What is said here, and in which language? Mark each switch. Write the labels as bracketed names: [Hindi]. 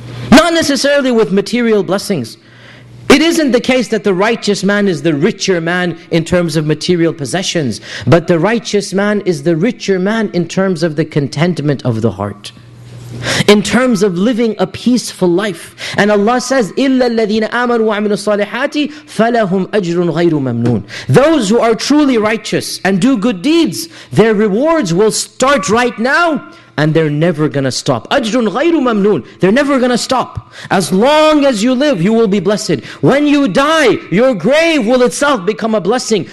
[English] Not necessarily with material blessings. It isn't the case that the righteous man is the richer man in terms of material possessions, but the righteous man is the richer man in terms of the contentment of the heart. in terms of living a peaceful life. And Allah says, [Arabic] إِلَّا الَّذِينَ آمَنُوا وَعَمِلُوا الصَّالِحَاتِ فَلَهُمْ أَجْرٌ غَيْرُ مَمْنُونَ. [English] Those who are truly righteous and do good deeds, their rewards will start right now, and they're never gonna stop. [Arabic] أَجْرٌ غَيْرُ مَمْنُونَ. [English] They're never gonna stop. As long as you live, you will be blessed. When you die, your grave will itself become a blessing.